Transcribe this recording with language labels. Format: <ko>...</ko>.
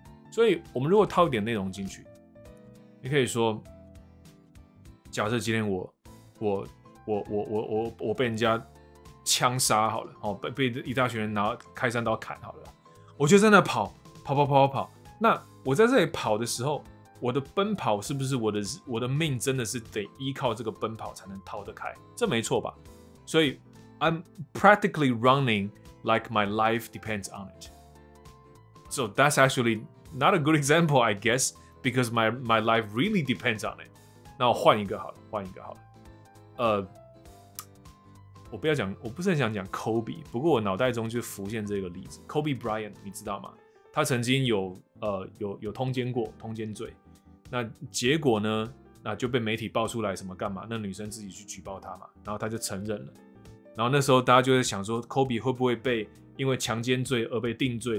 <zh>所以我们如果套一点内容进去，你可以说，假设今天我被人家枪杀好了，被一大群人拿开山刀砍好了，我就在那跑跑跑跑跑跑。那我在这里跑的时候，我的奔跑是不是我的命真的是得依靠这个奔跑才能逃得开？这没错吧？所以</zh> <en>I'm practically running like my life depends on it. So that's actually not a good example, I guess, because my life really depends on it.</en> <zh>那我换一个好了，换一个好了。我不要讲，我不是很想讲 Kobe， 不过我脑袋中就浮现这个例子 ，Kobe Bryant， 你知道吗？他曾经有通奸过，通奸罪，那结果呢？那就被媒体爆出来什么干嘛？那女生自己去举报他嘛，然后他就承认了。然后那时候大家就在想说 ，Kobe 会不会被因为强奸罪而被定罪？</zh>